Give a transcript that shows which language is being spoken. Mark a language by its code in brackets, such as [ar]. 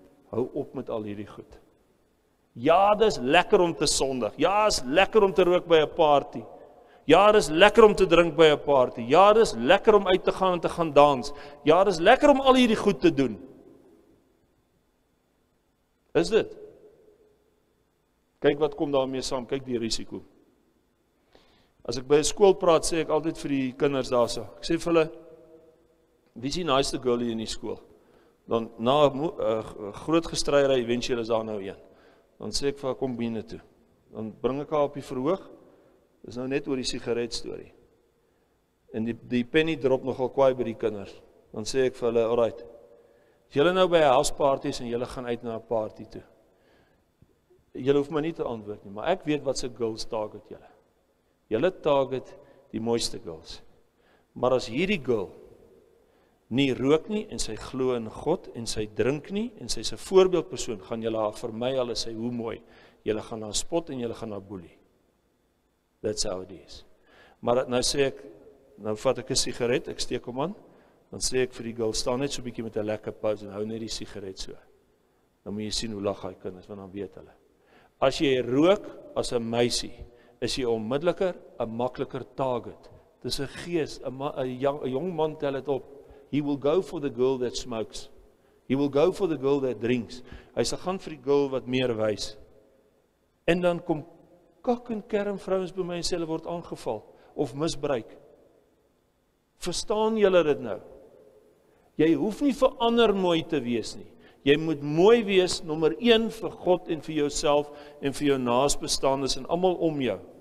[af] Hou op met al hierdie goed. Ja, dis lekker om te sondig. Ja, is lekker om te rook by 'n party. Ja, is lekker om te drink by 'n party. Ja, is lekker om uit te gaan en te gaan dans. Ja, is lekker om al hierdie goed te doen. Is dit? Kyk wat kom daarmee saam, kyk die risiko. As ek by 'n skool praat, sê ek altyd vir die kinders daarso. Ek sê vir hulle, wie is die nicest girl hier in die skool? Dan na groot gestryery, eventueel is daar nou een. Dan sê ek vir haar, kom binne toe. Dan bring ek haar op die verhoog, dis nou net oor die sigaret story. En die penny drop nogal kwaai by die kinders. Dan sê ek vir hulle, alright, as julle nou by house parties en julle gaan uit na 'n party toe, julle hoef my nie te antwoord nie, maar ek weet wat se girls target julle. Julle target die mooiste girls. Maar as hierdie girl nie rook nie en sy glo in God en sy drink nie en sy is 'n voorbeeldpersoon, gaan julle haar vermy al is sy hoe mooi. Julle gaan haar spot en julle gaan haar boelie. [en] That's how it is. [af] Maar nou sê ek, nou vat ek 'n sigaret, ek steek hom aan, dan sê ek vir die girl, staan net so 'n bietjie met 'n lekker pause en hou net die sigaret so. Dan moet jy sien hoe lag hy kinders, want dan weet hulle. As jy rook as 'n meisie, is jy onmiddelliker 'n makliker target. Dis 'n gees, 'n jong man tel dit op. [en] He will go for the girl that smokes. He will go for the girl that drinks. [af] Hy sal gaan vir die girl wat meer wys. En dan kom kak en kerm vrouens by my en sê hulle word aangeval of misbruik. Verstaan julle dit nou? Jy hoef nie vir ander mooi te wees nie. Jy moet mooi wees, nommer 1, vir God en vir jouself en vir jou naasbestaandes en allemaal om jou.